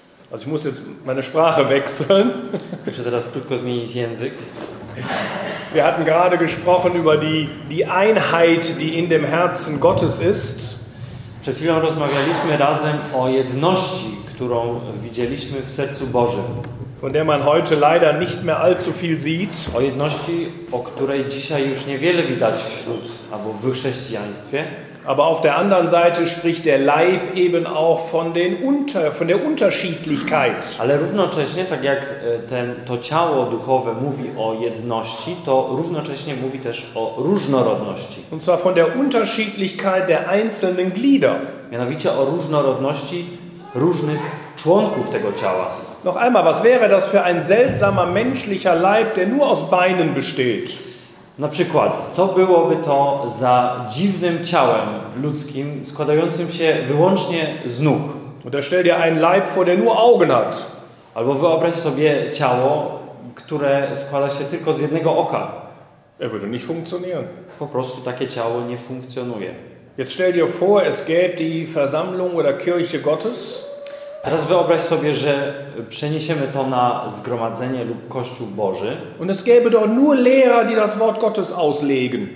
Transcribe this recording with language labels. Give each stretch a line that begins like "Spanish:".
German: Also ich muss jetzt meine Sprache wechseln. Ich hatte das Glück, dass mir nicht jensig. Wir hatten gerade gesprochen über die Einheit, die in dem Herzen Gottes ist.
Polish: Przed chwilą rozmawialiśmy razem o jedności, którą widzieliśmy w sercu Bożym.
German: Von der man heute leider nicht mehr allzu viel sieht.
Polish: O jedności, o której dzisiaj już niewiele widać wśród albo w chrześcijaństwie.
German: Aber auf der anderen Seite spricht der Leib eben auch von der Unterschiedlichkeit.
Polish: Ale równocześnie, tak jak to ciało duchowe mówi o jedności, to równocześnie mówi też o różnorodności.
German: Und zwar von der Unterschiedlichkeit der einzelnen Glieder.
Polish: Mianowicie o różnorodności różnych członków tego ciała.
German: Noch einmal, was wäre das für ein seltsamer menschlicher Leib, der nur aus Beinen besteht?
Polish: Na przykład, co byłoby to za dziwnym ciałem ludzkim, składającym się wyłącznie z nóg?
German: Oder stell dir einen Leib vor, der nur Augen hat.
Polish: Albo wyobraź sobie ciało, które składa się tylko z jednego oka.
German: Er würde nicht funktionieren.
Polish: Po prostu takie ciało nie funkcjonuje.
German: Jetzt stell dir vor, es gäbe die Versammlung oder Kirche Gottes.
Polish: Teraz wyobraź sobie, że przeniesiemy to na zgromadzenie lub Kościół Boży.
German: Und es gäbe dort nur Lehrer, die das Wort Gottes auslegen.